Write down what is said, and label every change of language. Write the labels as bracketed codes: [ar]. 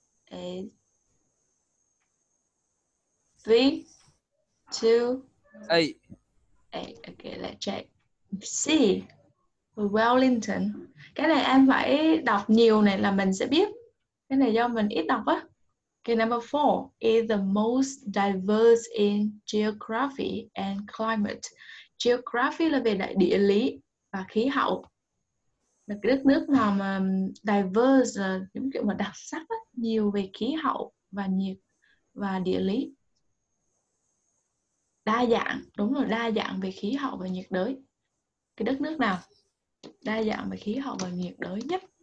[en] Is... 3, 2... 8. Okay, let's check. C, Wellington. [vi] Cái này em phải đọc nhiều này là mình sẽ biết. Cái này do mình ít đọc á. [en] Okay, number 4 is the most diverse in geography and climate. Geography là về đại địa lý và khí hậu. Là cái đất nước nào mà diverse, những kiểu mà đặc sắc á, nhiều về khí hậu và nhiệt và địa lý. Đa dạng, đúng rồi, đa dạng về khí hậu và nhiệt đới. Cái đất nước nào đa dạng về khí hậu và nhiệt đới nhất?